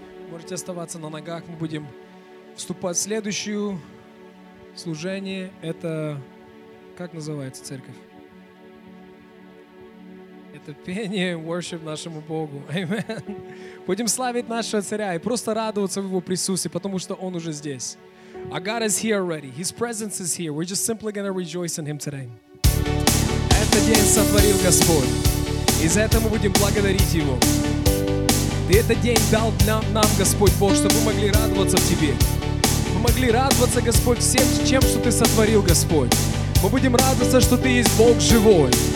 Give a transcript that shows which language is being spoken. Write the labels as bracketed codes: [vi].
[ru] Можете оставаться на ногах. Мы будем вступать в следующее служение. Это, как называется церковь? Это пение, worship нашему Богу. Аминь. Будем славить нашего Царя и просто радоваться в Его присутствии, потому что Он уже здесь. [en] Our God is here already. His presence is here. We're just simply going to rejoice in Him today. [ru] Этот день сотворил Господь. И за это мы будем благодарить Его. Ты этот день дал нам, Господь Бог, чтобы мы могли радоваться в Тебе. Мы могли радоваться, Господь, всем тем, что Ты сотворил, Господь. Мы будем радоваться, что Ты есть Бог живой.